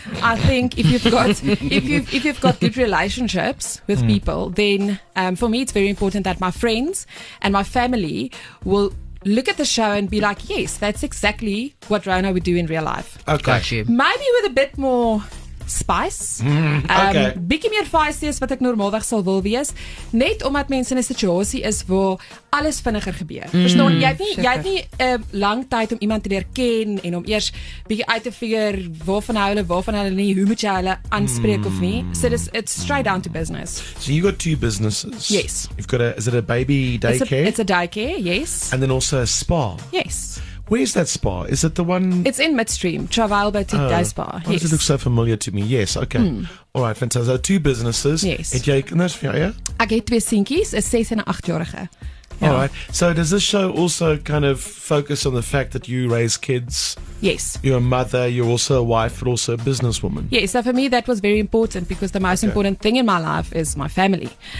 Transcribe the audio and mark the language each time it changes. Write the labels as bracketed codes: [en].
[en] I think if you've got good relationships with people, then for me it's very important that my friends and my family will look at the show and be like, yes, that's exactly what Rona would do in real life. Okay. Maybe with a bit more spice. [af] Bietjie meer feisty is wat ek normaalweg sal wil wees, net omdat mense in 'n situasie is waar alles vinniger gebeur. Verstaan, jy het nie 'n lang tyd om iemand te leer ken en om eers bietjie uit te figure waarvan hou hulle, waarvan hulle nie, hoe moet jy hulle aanspreek of nie. [en] So it's straight down to business. So you got two businesses. Yes. You've got a baby daycare? It's a daycare, yes. And then also a spa. Yes. Where's that spa? Is it the one? It's in midstream, Travail Boutique Day Spa. Oh, yes. Does it look so familiar to me? Yes, okay. Mm. All right, fantastic. So two businesses. Yes. [af] Het jy kinders vir jou eie? Ek het twee seentjies, 'n 6 en 'n 8-jarige. [en] Yeah. All right. So does this show also kind of focus on the fact that you raise kids? Yes. You're a mother, you're also a wife, but also a businesswoman. Yes. So for me, that was very important because the most important thing in my life is my family.